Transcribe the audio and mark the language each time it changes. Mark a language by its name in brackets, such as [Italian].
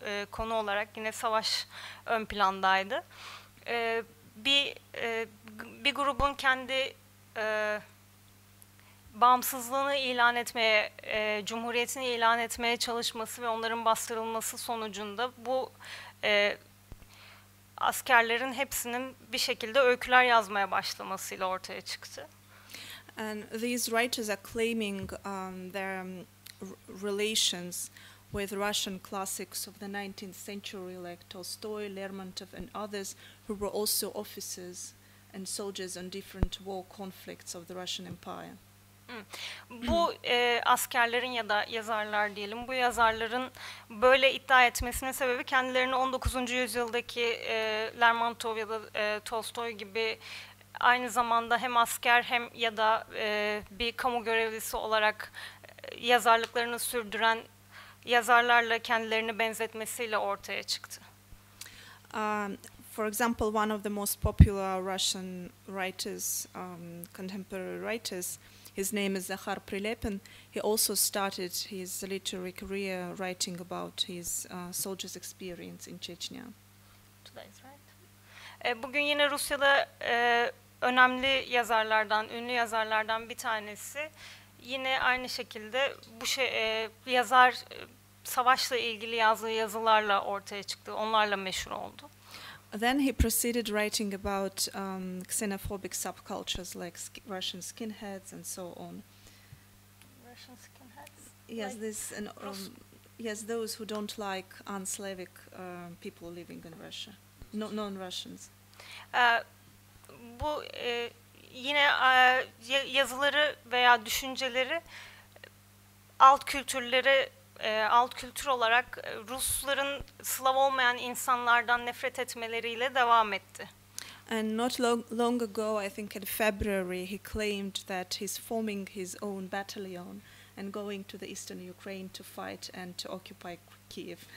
[Turkish] Konu olarak yine savaş ön plandaydı. Bir grubun kendi bağımsızlığını ilan etmeye, cumhuriyetini ilan etmeye çalışması ve onların bastırılması sonucunda bu askerlerin hepsinin bir şekilde öyküler yazmaya başlamasıyla ortaya çıktı. [English] And these writers are claiming their relations with Russian classics of the 19th century, like Tolstoy, Lermontov, and others, who were also officers and soldiers in different war conflicts of the Russian Empire. [Turkish] Bu askerlerin ya da yazarlar diyelim, bu yazarların böyle iddia etmesinin sebebi kendilerini 19. yüzyıldaki Lermontov ya da Tolstoy gibi aynı zamanda hem asker hem ya da bir kamu görevlisi olarak yazarlıklarını sürdüren yazarlarla kendilerini benzetmesiyle ortaya çıktı. [English] For example, one of the most popular Russian writers, contemporary writers, his name is Zakhar Prilepin. He also started his literary career writing about his soldiers' experience in Chechnya. That's right. [Turkish] Bugün yine Rusya'da önemli yazarlardan, ünlü yazarlardan bir tanesi. Yine aynı şekilde bu yazar savaşla ilgili yazdığı yazılarla ortaya çıktı. Onlarla meşhur oldu. [English] Then he proceeded writing about xenophobic subcultures like Russian skinheads and so on. Russian skinheads? Yes, like this and yes, those who don't like unslavic people living in Russia. No, non-Russians. [Turkish] Bu yine yazıları veya düşünceleri alt kültürleri alt kültür olarak Rusların Slav olmayan insanlardan nefret etmeleriyle devam etti. [English] And not long ago, I think in February, he claimed that he's forming his own battalion and going to the eastern Ukraine to fight and to occupy Kiev.